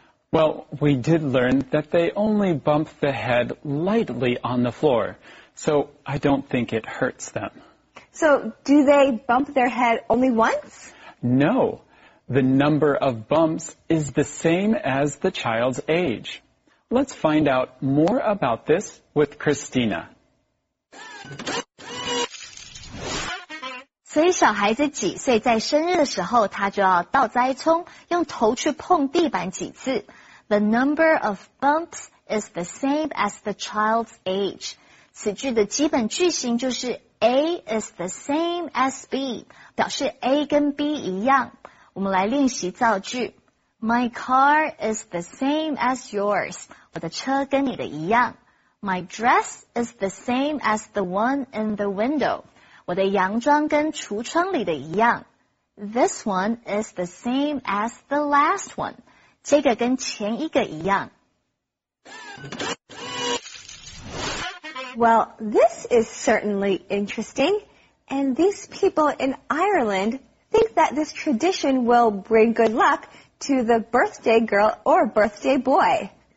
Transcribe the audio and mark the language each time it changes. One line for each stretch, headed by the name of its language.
English: Well, we did learn that they only bumped the head lightly on the floor, so I don't think it hurts them. So, do they bump their head only once? No. The number of bumps is the same as the child's age. Let's find out more about this with Christina.
Chinese: 所以小孩子几岁在生日的时候他就要倒栽葱用头去碰地板几次。
English: The number of bumps is the same as the child's age.
Chinese: 此句的基本句型就是
English: A is the same as B,
Chinese: 表示 A 跟 B 一样。我们来练习造句。
English: My car is the same as yours.
Chinese: 我的车跟你的一样。
English: My dress is the same as the one in the window.
Chinese: 我的洋装跟橱窗里的一样。
English: This one is the same as the last one.
Chinese: 这个跟前一个一样。
English: Well, this is certainly interesting. And these people in Ireland think that this tradition will bring good luck to the birthday girl or birthday boy.